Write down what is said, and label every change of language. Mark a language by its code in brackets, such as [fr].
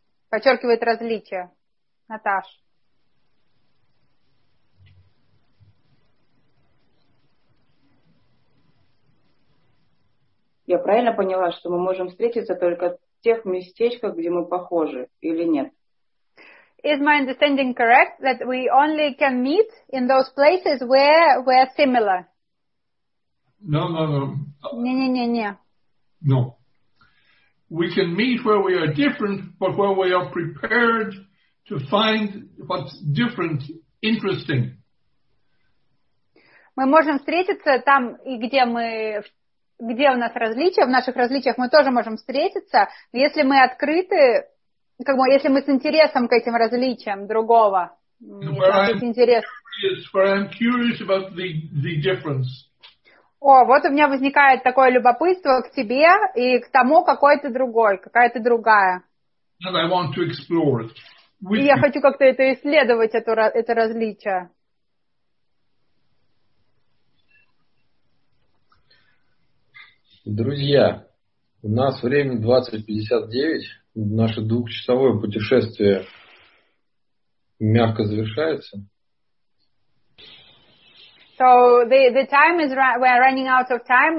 [ru] Подчеркивает различия. Наташ. Я правильно поняла, что мы можем встретиться только в тех местечках, где мы похожи, или нет? [en] Is my understanding correct that we only can meet in those places where we are similar? No. We can meet where we are different, but where we are prepared to find what's different interesting. [ru] Мы можем встретиться там, и где у нас различия, в наших различиях мы тоже можем встретиться, если мы открыты, как бы, если мы с интересом к этим различиям другого. [en] Where I'm curious about the difference. [ru] О, вот у меня возникает такое любопытство к тебе и к тому, какой ты другой, какая ты другая. [en] And I want to explore it. [ru] И я хочу как-то это исследовать, это различие. Друзья, у нас время 20:59. Наше двухчасовое путешествие мягко завершается. [en] So the time is we are running out of time.